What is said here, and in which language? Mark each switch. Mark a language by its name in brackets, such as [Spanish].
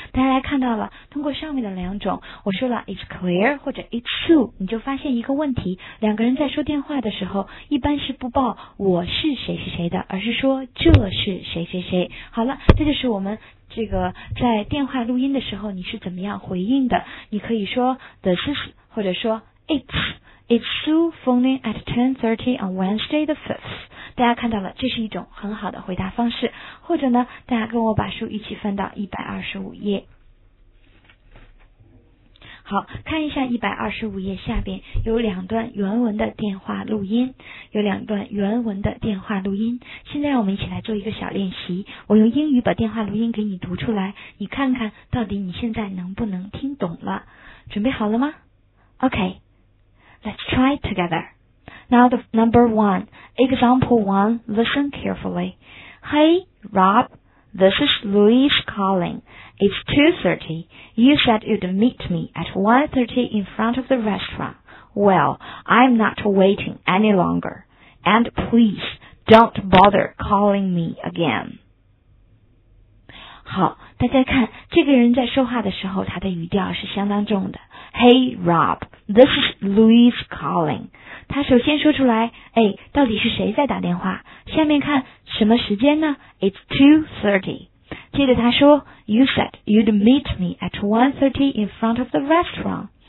[Chinese] 大家来看到了，通过上面的两种，我说了 [English] it's clear [Chinese] 或者 [English] it's Sue， [Chinese] 你就发现一个问题，两个人在说电话的时候一般是不报我是谁谁谁的，而是说这是谁谁谁。好了，这就是我们这个在电话录音的时候你是怎么样回应的。你可以说 [English] this is [Chinese] 或者说 [English] it's Sue phoning at 10:30 on Wednesday the 5th。 [Chinese] 大家看到了，这是一种很好的回答方式。或者呢，大家跟我把书一起翻到125页。好，看一下125页下边有两段原文的电话录音，有两段原文的电话录音。现在让我们一起来做一个小练习，我用英语把电话录音给你读出来，你看看到底你现在能不能听懂了。准备好了吗？ [English] OK, let's try together. Now the number one, example one, listen carefully. Hey, Rob, this is Louise calling. It's 2:30. You said you'd meet me at 1:30 in front of the restaurant. Well, I'm not waiting any longer. And please, don't bother calling me again. [Chinese] 好，大家看，这个人在说话的时候，他的语调是相当重的。 [English] Hey, Rob, this is Louise calling. [Chinese] 他首先说出来，哎，到底是谁在打电话？下面看，什么时间呢？ [English] It's 2:30. [Chinese] 接着他说 [English] You said you'd meet me at 1:30 in front of the restaurant.